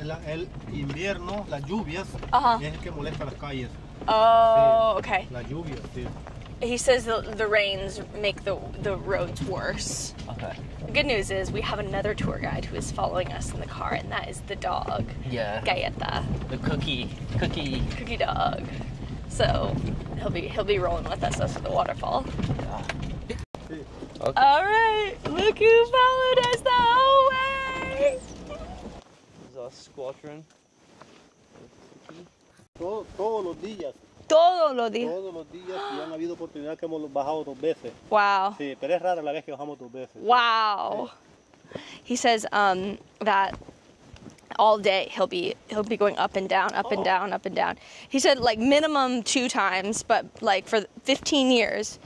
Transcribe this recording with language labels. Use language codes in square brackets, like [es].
[es] El invierno, las lluvias, es el que molesta las calles. [en] Oh, okay. [es] La lluvia, sí. [en] He says the rains make the roads worse. Okay. The good news is we have another tour guide who is following us in the car, and that is the dog. Yeah. [es] Galleta. [en] The cookie dog. So he'll be rolling with us to the waterfall. Yeah. Okay. All right. Look who followed us the whole way. This is our squadron. [es] Todos los días. Todos los días y han habido oportunidades que hemos bajado dos veces. [en] Wow. [es] Sí, pero es rara la vez que bajamos dos veces. [en] Wow. He says that all day he'll be going up and down, up and down. He said like minimum 2 times, but like for 15 years,